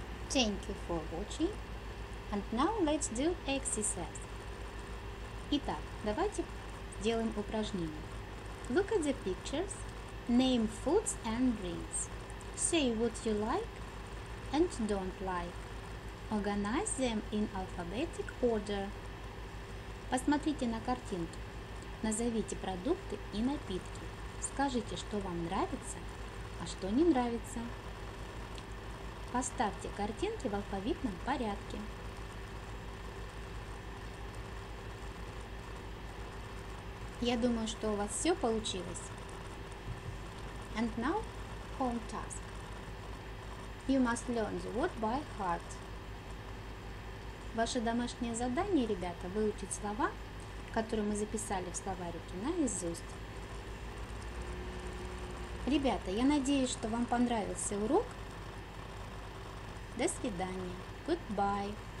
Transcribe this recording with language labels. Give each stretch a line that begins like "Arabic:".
English: Thank you for watching. And now let's do exercise.
Russian: Итак, давайте делаем упражнение.
English: Look at the pictures. Name foods and drinks. Say what you like and don't like. Organize them in alphabetic order.
Russian: Посмотрите на картинку. Назовите продукты и напитки. Скажите, что вам нравится, а что не нравится. Поставьте картинки в алфавитном порядке. Я думаю, что у вас все получилось.
English: And now, home task. You must learn the word by heart.
Russian: Ваше домашнее задание, ребята, выучить слова, которые мы записали в словарике, наизусть. Ребята, я надеюсь, что вам понравился урок. До свидания.
English: Goodbye.